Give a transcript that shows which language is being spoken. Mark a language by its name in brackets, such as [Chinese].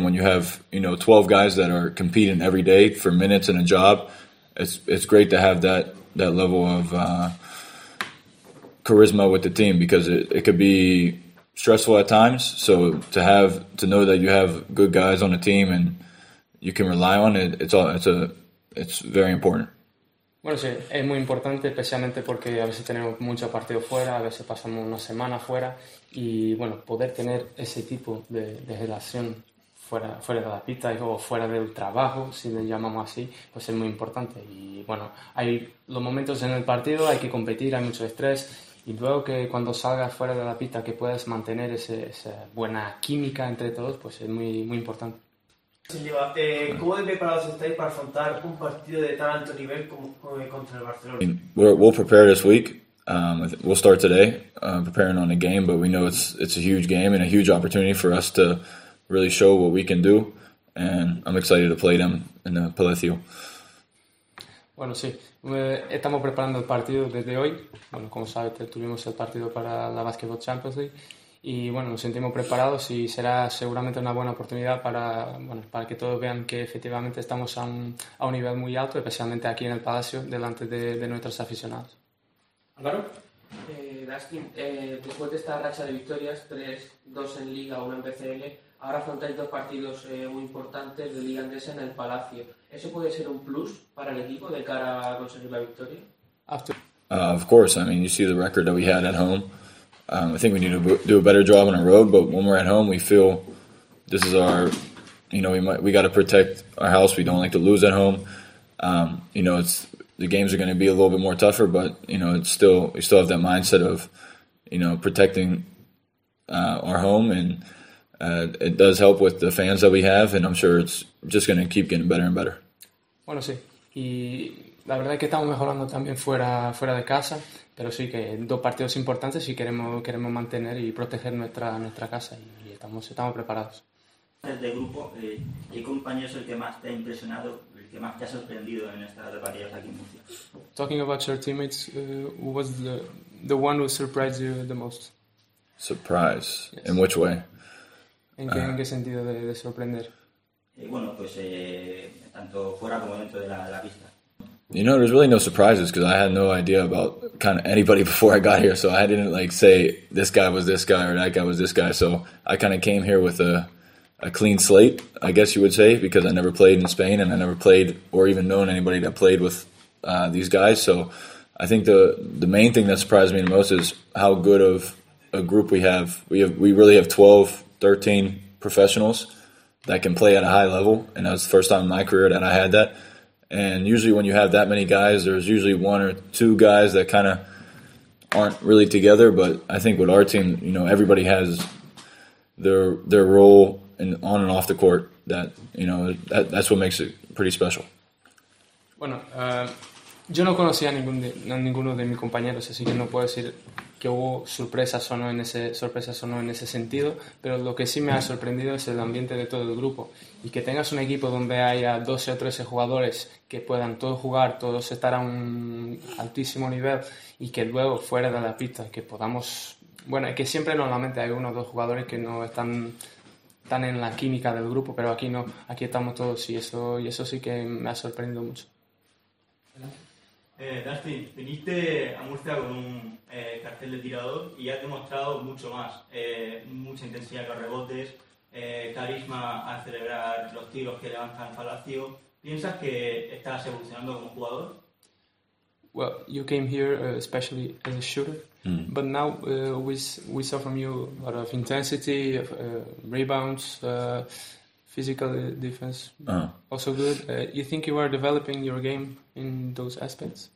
[English] And when you have, you know, 12 guys that are competing every day for minutes in a job, it's great to have that level of charisma with the team, because it could be stressful at times. So to know that you have good guys on the team and you can rely on it, it's very important. [Spanish] Bueno, sí, es muy importante, especialmente porque a veces tenemos muchos partidos fuera, a veces pasamos una semana fuera, y bueno, poder tener ese tipo de relación fuera de la pista o fuera del trabajo, si le llamamos así, pues es muy importante. Y bueno, hay los momentos en el partido, hay que competir, hay mucho estrés, y luego que cuando salgas fuera de la pista, que puedas mantener esa buena química entre todos, pues es muy, muy importante. ¿Cómo de preparados estáis para afrontar un partido de tan alto nivel como contra el Barcelona? [English] We'll prepare this week. We'll start today preparing on the game, but we know it's a huge game and a huge opportunity for us to really show what we can do, and I'm excited to play them in the Palacio. [Spanish] Bueno, sí, estamos preparando el partido desde hoy. Bueno, como sabes, tuvimos el partido para la Basketball Champions League. Y bueno, nos sentimos preparados y será seguramente una buena oportunidad para, bueno, para que todos vean que efectivamente estamos a un nivel muy alto, especialmente aquí en el Palacio, delante de nuestros aficionados. Álvaro. Dustin, después de esta racha de victorias, 3-2 en Liga, 1 en BCL, ahora afrontáis dos partidos muy importantes de Liga Andesa en el Palacio. ¿Eso puede ser un plus para el equipo de cara a conseguir la victoria? [English] Of course, I mean, you see the record that we had at home. I think we need to do a better job on the road, but when we're at home, we feel this is our, you know, we got to protect our house. We don't like to lose at home. You know, the games are going to be a little bit more tougher, but, you know, we still have that mindset of, you know, protecting our home, and it does help with the fans that we have, and I'm sure it's just going to keep getting better and better. [Spanish] Bueno, sí. Y la verdad es que estamos mejorando también fuera de casa. Pero sí, que dos partidos importantes si queremos mantener y proteger nuestra casa, y estamos preparados. Desde grupo, ¿qué compañero es el que más te ha impresionado, el que más te ha sorprendido en estas partidas aquí en Murcia? [English] Talking about your teammates, who was the one who surprised you the most? Surprise. Yes. In which way? [Spanish] ¿En qué sentido de sorprender? Bueno, pues tanto fuera como dentro de la pista. [English] You know, there's really no surprises, because I had no idea about kind of anybody before I got here. So I didn't like say this guy was this guy or that guy was this guy. So I kind of came here with a clean slate, I guess you would say, because I never played in Spain and I never played or even known anybody that played with these guys. So I think the main thing that surprised me the most is how good of a group we have. We really have 12, 13 professionals that can play at a high level. And that was the first time in my career that I had that. And usually when you have that many guys, there's usually one or two guys that kind of aren't really together, but I think with our team, you know, everybody has their role in, on and off the court. That, you know, that's what makes it pretty special. [Spanish] Bueno, yo no conocía ninguno de mis compañeros, así que no puedo decir que hubo sorpresas o no en ese sentido, pero lo que sí me ha sorprendido es el ambiente de todo el grupo. Y que tengas un equipo donde haya 12 o 13 jugadores que puedan todos jugar, todos estar a un altísimo nivel, y que luego, fuera de la pista, que podamos... Bueno, es que siempre normalmente hay uno o dos jugadores que no están tan en la química del grupo, pero aquí no, aquí estamos todos, y eso sí que me ha sorprendido mucho. Dustin, viniste a Murcia con un cartel de tirador y has demostrado mucho más, mucha intensidad con rebotes, carisma al celebrar los tiros que levantan el palacio. ¿Piensas que estás evolucionando como jugador? [English] Well, you came here especially as a shooter, but now we saw from you a lot of intensity, of rebounds, physical defense, also good. You think you are developing your game in those aspects?